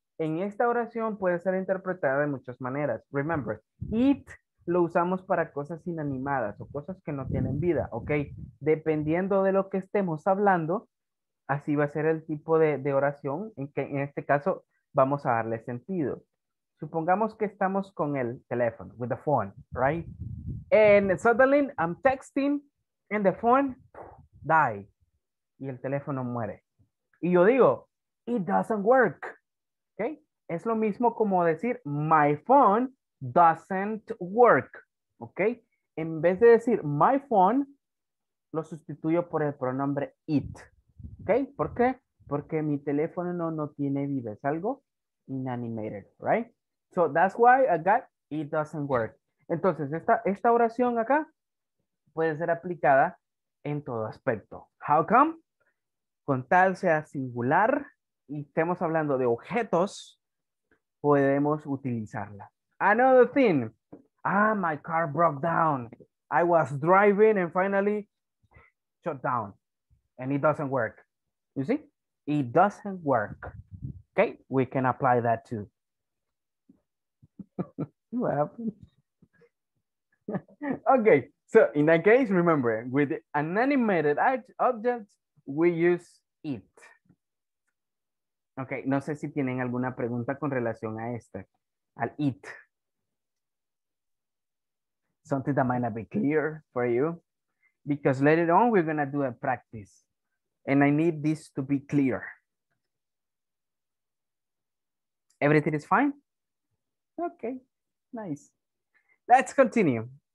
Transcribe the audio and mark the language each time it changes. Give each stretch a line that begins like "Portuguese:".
Spanish: En esta oración puede ser interpretada de muchas maneras.
English: Remember,
Spanish: it lo usamos para cosas inanimadas o cosas que no tienen vida, ¿ok? Dependiendo de lo que estemos hablando, así va a ser el tipo de oración en que en este caso vamos a darle sentido. Supongamos que estamos con el teléfono,
English: with the phone, right? And suddenly I'm texting and the phone die.
Spanish: Y el teléfono muere. Y yo digo,
English: it doesn't work. Okay?
Spanish: Es lo mismo como decir,
English: my phone doesn't work. Okay?
Spanish: En vez de decir my phone, lo sustituyo por el pronombre it. Okay? ¿Por qué? Porque mi teléfono no tiene vida. Es algo inanimated, right?
English: So that's why I got it doesn't work.
Spanish: Entonces, esta oración acá puede ser aplicada en todo aspecto.
English: How come?
Spanish: Con tal sea singular y estemos hablando de objetos, podemos utilizarla.
English: Another thing. My car broke down. I was driving and finally shut down. And it doesn't work. You see? It doesn't work. Okay, we can apply that too. What happened? Okay, so in that case, remember, with an animated object, we use it.
Spanish: Okay, no sé si tienen alguna pregunta con relación a esta, al it.
English: Something that might not be clear for you, because later on, we're going to do a practice. And I need this to be clear. Everything is fine? Okay, nice. Let's continue.